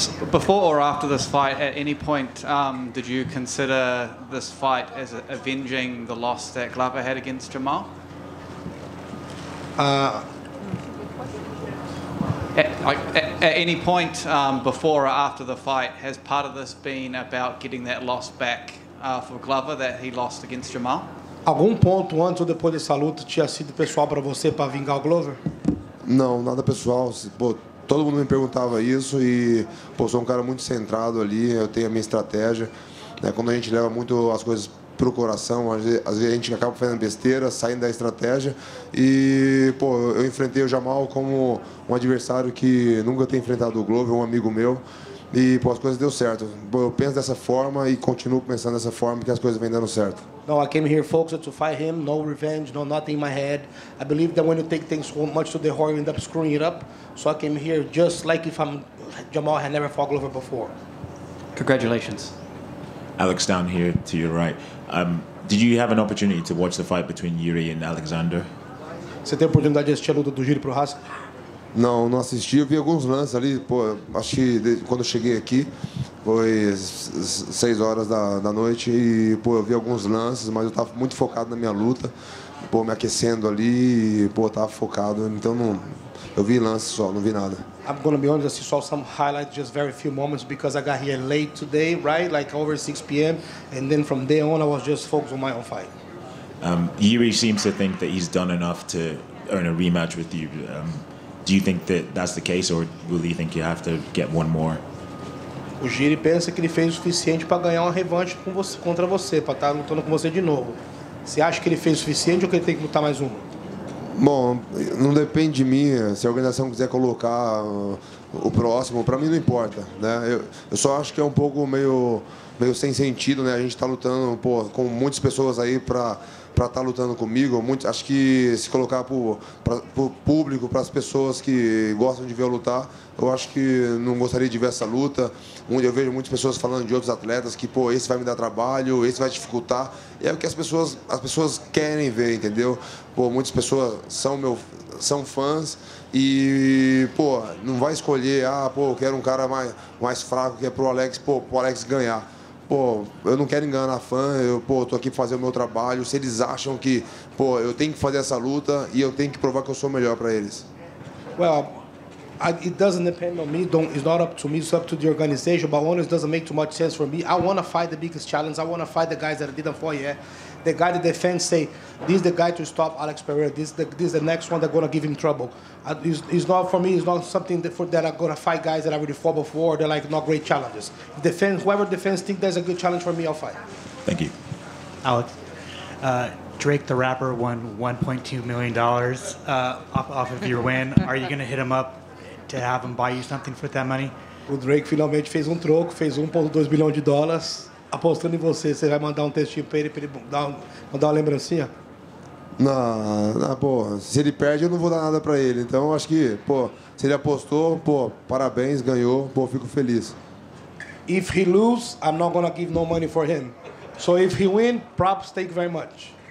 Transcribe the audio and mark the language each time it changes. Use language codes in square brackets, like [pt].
[en] Before or after this fight, at any point, did you consider this fight as avenging the loss that Glover had against Jamal? At any point, before or after the fight, has part of this been about getting that loss back for Glover that he lost against Jamal? [pt] Algum ponto antes ou depois dessa luta tinha sido pessoal para você para vingar o Glover? Não, nada pessoal. Todo mundo me perguntava isso e pô, sou um cara muito centrado ali, eu tenho a minha estratégia. Né? Quando a gente leva muito as coisas pro coração, às vezes a gente acaba fazendo besteira, saindo da estratégia. E pô, eu enfrentei o Jamal como um adversário que nunca tem enfrentado o Glover, um amigo meu. E pô, as coisas deu certo. Pô, eu penso dessa forma e continuo pensando dessa forma porque as coisas vêm dando certo. [en] No, I came here focused to fight him, no revenge, no nothing in my head. I believe that when you take things so much to the heart, you end up screwing it up. So I came here just like if I'm Jamal had never fought Glover before. Congratulations. Alex, down here to your right. Did you have an opportunity to watch the fight between Yuri and Alexander? [pt] Você tem a oportunidade de assistir a luta do Yuri pro Haskell? Não, não assisti. Eu vi alguns lances ali, pô, acho que quando eu cheguei aqui, foi 6 horas da noite e pô, eu vi alguns lances, mas eu tava muito focado na minha luta, pô, me aquecendo ali e pô, tava focado, então não, eu vi lances só, não vi nada. [en] I'm gonna be honest, I saw some highlights, just very few moments, because I got here late today, right? Like over 6 p.m. And then from there on, I was just focused on my own fight. Yuri seems to think that he's done enough to earn a rematch with you. Do you think that that's the case, or will you think you have to get one more? [pt] O Giri pensa que ele fez o suficiente para ganhar uma revanche contra você, para estar lutando com você de novo. Você acha que ele fez o suficiente ou que ele tem que lutar mais um? Bom, não depende de mim. Se a organização quiser colocar o próximo, para mim não importa. Né? Eu só acho que é um pouco meio sem sentido, né? A gente está lutando, pô, com muitas pessoas aí para estar lutando comigo. Muito, acho que se colocar para o público, para as pessoas que gostam de ver eu lutar, eu acho que não gostaria de ver essa luta. Eu vejo muitas pessoas falando de outros atletas que, pô, esse vai me dar trabalho, esse vai dificultar. E é o que as pessoas querem ver, entendeu? Pô, muitas pessoas são fãs e, pô, não vai escolher, ah, pô, eu quero um cara mais fraco, que é pro Alex, pô, pro Alex ganhar. Pô, eu não quero enganar fã, pô, eu tô aqui pra fazer o meu trabalho. Se eles acham que, pô, eu tenho que fazer essa luta e eu tenho que provar que eu sou melhor pra eles. [en] Well, it doesn't depend on me, it's not up to me, it's up to the organization, but honestly, it doesn't make too much sense for me. I want to fight the biggest challenge, I want to fight the guys that I didn't fight yet. The guy that the fans say, this is the guy to stop Alex Pereira, this is the next one that's going to give him trouble. It's not for me, it's not something that I'm going to fight guys that I already fought before, they're like not great challenges. Whoever the fans think that's a good challenge for me, I'll fight. Thank you. Alex, Drake the Rapper won $1.2 million off of your win. Are you going to hit him up to have him buy you something for that money? [pt] O Drake finalmente fez um troco, fez $1.2 bilhão apostando em você. Você vai mandar um textinho pra ele mandar uma lembrancinha? Não, pô, se ele perde, eu não vou dar nada pra ele. Então, acho que, pô, se ele apostou, pô, parabéns, ganhou, pô, fico feliz. [en] If he lose, I'm not gonna give no money for him. So if he win, props, thank you very much.